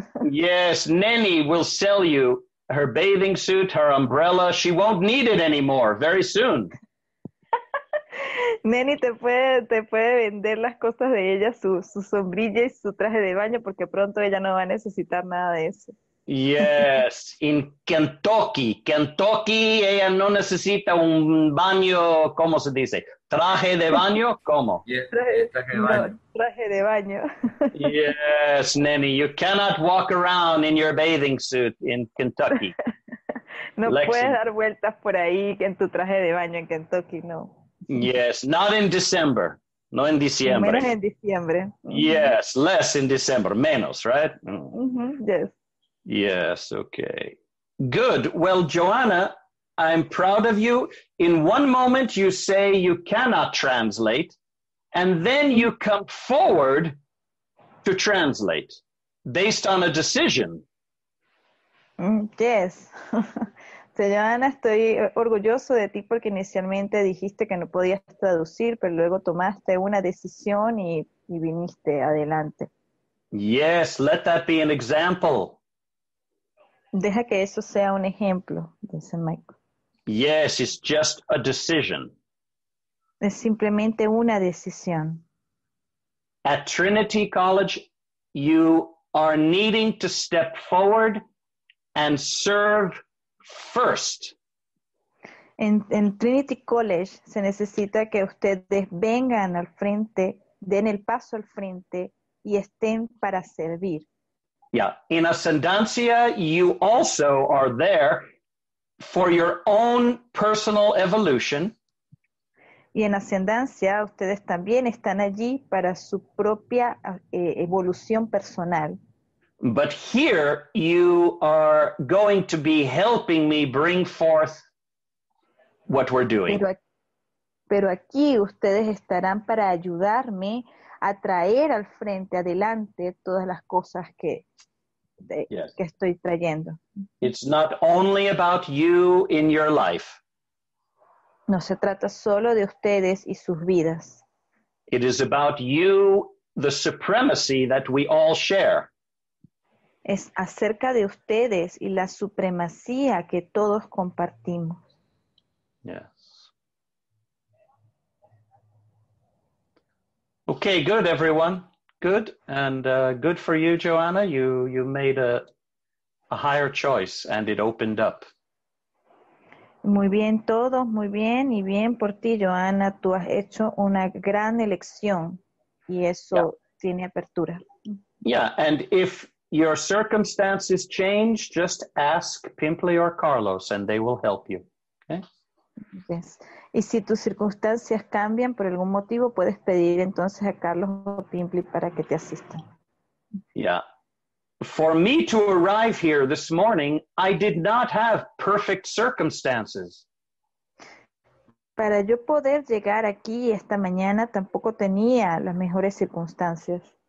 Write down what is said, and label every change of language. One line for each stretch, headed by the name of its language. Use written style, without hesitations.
English: Yes, Nanny will sell you her bathing suit, her umbrella. She won't need it anymore very soon.
Spanish: Nanny te puede vender las cosas de ella, su sombrilla y su traje de baño, porque pronto ella no va a necesitar nada de eso.
English: Yes, in Kentucky,
Spanish: ella no necesita un baño, ¿cómo se dice? ¿Traje de baño? ¿Cómo? Yes, traje de baño. No, traje de baño.
English: Yes, Nanny, you cannot walk around in your bathing suit in Kentucky.
Spanish: No Lexi. Puedes dar vueltas por ahí en tu traje de baño en Kentucky, no.
English: Yes, not in December.
Spanish: No en diciembre. Menos en diciembre.
English: Yes, less in December, menos, right? Yes. Yes, okay. Good. Well, Joanna, I'm proud of you. In one moment, you say you cannot translate, and then you come forward to translate based on a decision. Yes.
Spanish: So, Joanna, estoy orgulloso de ti porque inicialmente dijiste que no podías traducir, pero luego tomaste una decisión y viniste adelante.
English: Yes, let that be an example.
Spanish: Deja que eso sea un ejemplo, dice Michael.
English: Yes, it's just a decision.
Spanish: Es simplemente una decisión.
English: At Trinity College, you are needing to step forward and serve first.
Spanish: En Trinity College, se necesita que ustedes vengan al frente, den el paso al frente y estén para servir.
English: Yeah, in Ascendancia, you also are there for your own personal evolution.
Spanish: Y en Ascendancia, ustedes también están allí para su propia evolución personal.
English: But here you are going to be helping me bring forth what we're doing.
Spanish: Pero aquí ustedes estarán para ayudarme a traer al frente, adelante, todas las cosas que, de, yes. que estoy trayendo.
English: It's not only about you in your life.
Spanish: No se trata solo de ustedes y sus vidas.
English: It is about you, the supremacy that we all share.
Spanish: Es acerca de ustedes y la supremacía que todos compartimos.
English: Yes. Okay, good, everyone. Good. And good for you, Joanna. You made a higher choice and it opened up.
Spanish: Muy bien, todos. Muy bien. Y bien por ti, Joanna. Tú has hecho una gran elección y eso yeah. tiene apertura.
English: Yeah, and if your circumstances change, just ask Pimply or Carlos and they will help you. Okay? Yes.
Spanish: Y si tus circunstancias cambian por algún motivo, puedes pedir entonces a Carlos o Pimply para que te asistan.
English: Yeah. For me to arrive here this morning, I did not have perfect circumstances.
Spanish: Para yo poder llegar aquí esta mañana, tampoco tenía las mejores circunstancias.